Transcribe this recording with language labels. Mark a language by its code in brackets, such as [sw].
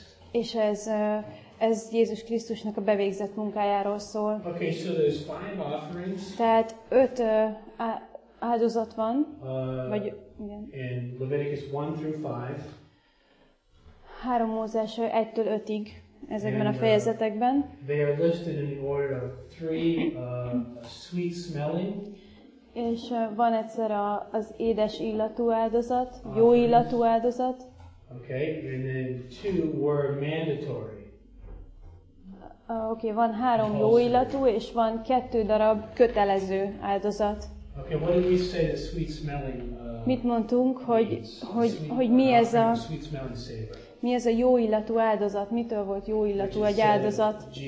[hu] És ez Jézus Krisztusnak a bevégzett munkájáról szól. [en] Okay, so there's five offerings. [hu] Tehát öt áldozat van. [en] In Leviticus 1 through 5. [hu] 3 Mózes 1-től 5-ig. Ezekben a fejezetekben. [en] They are listed in the order of three sweet smelling. [hu] És van egyszer az édes illatú áldozat, jó illatú áldozat. [en] Okay, and then two were mandatory. [hu] Okay, van 3 jó illatú, és van 2 darab kötelező áldozat. [en] Okay, what did we say the sweet smelling? [hu] Mit mondtunk, hogy hogy mi ez a [en] sweet smelling savor? [hu] Mi ez a jó illatú áldozat? Mitől volt jó illatú egy áldozat?